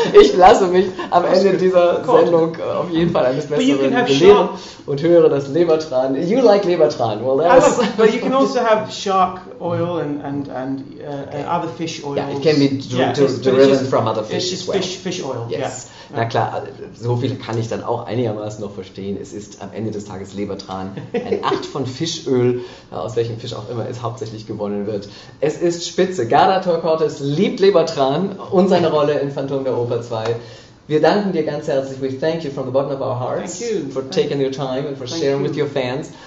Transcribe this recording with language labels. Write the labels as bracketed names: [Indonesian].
[German] Ich lasse mich am Ende dieser Sendung auf jeden Fall eines Besseren belehren und höre das Lebertran. [English] You like Lebertran. Well, but you can also have shark oil and other fish oils. Yeah, it can be derived from other fish as well. Fish oil, yes. Yeah. [German] Na klar, so viel kann ich dann auch einigermaßen noch verstehen. Es ist am Ende des Tages Lebertran, ein Acht von Fischöl, aus welchem Fisch auch immer es hauptsächlich gewonnen wird. Es ist spitze. Garda Torkortes liebt Lebertran und seine Rolle in Phantom der Oper 2. Wir danken dir ganz herzlich. [English] We thank you from the bottom of our hearts for taking your time and for sharing with your fans.